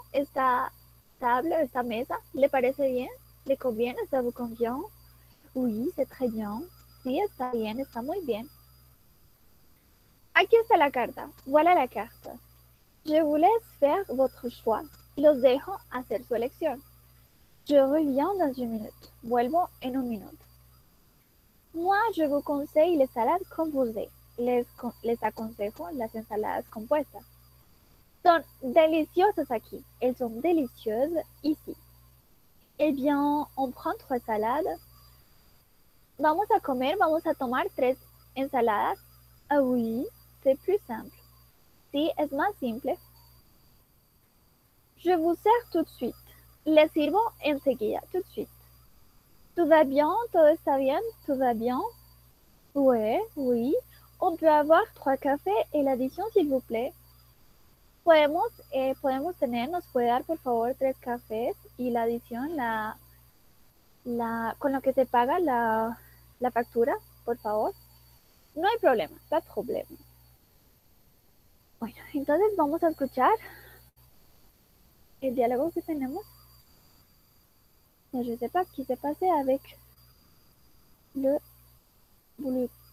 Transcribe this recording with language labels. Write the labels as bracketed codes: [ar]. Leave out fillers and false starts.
[es] Esta table, esta mesa, ¿le parece bien? ¿Le conviene? [fr] ¿Ça vous convient? Oui, c'est très bien. [es] Sí, está bien, está muy bien. Aquí está la carta. Voilà la carta. [fr] Je vous laisse faire votre choix. [es] Los dejo hacer su elección. [fr] Je reviens dans une minute. [es] Vuelvo en un minuto. [fr] Moi, je vous conseille les salades composées. [es] Les aconsejo las ensaladas compuestas. Son deliciosas aquí. [fr] Elles sont délicieuses ici. Eh bien, on prend trois salades. [es] Vamos a comer, vamos a tomar tres ensaladas. [fr] Ah, oui. C'est plus simple. [es] Sí, es más simple. [fr] Je vous sers tout de suite. [es] Le sirvo enseguida, [fr] tout de suite. Tout va bien, [es] todo está bien, [fr] tout va bien. Ouais, oui. On peut avoir trois cafés et l'addition, s'il vous plaît. [es] Podemos tener, nos puede dar, por favor, tres cafés y la adición, con lo que se paga la factura, por favor. No hay problema, no hay problema. Bueno, entonces vamos a escuchar el diálogo que tenemos. No sé qué se pasa [fr] avec le bullet.